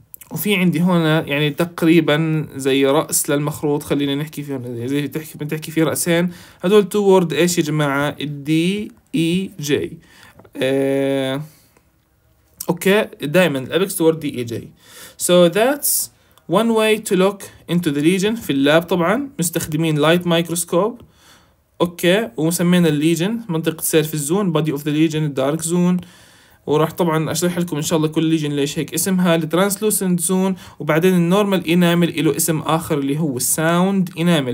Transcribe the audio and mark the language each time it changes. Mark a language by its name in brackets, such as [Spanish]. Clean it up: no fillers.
[Arabic] وفي عندي هون يعني تقريبا زي رأس للمخروط، خلينا نحكي فيهم زي تحكي بنتحكي في رأسين، هدول توورد ايش يا جماعة؟ الدي اي جي. [English] Okay دائما الابكس toward دي اي جي. So that's one way to look into the lesion. [Arabic] في اللاب طبعا مستخدمين light microscope. اوكي ومسمينا الليجن منطقة [English] surface zone, body of the lesion, dark zone. [Arabic] وراح طبعا اشرح لكم ان شاء الله كل ليجن ليش هيك اسمها. [English] translucent zone [Arabic] وبعدين النورمال انامل له اسم اخر اللي هو sound انامل.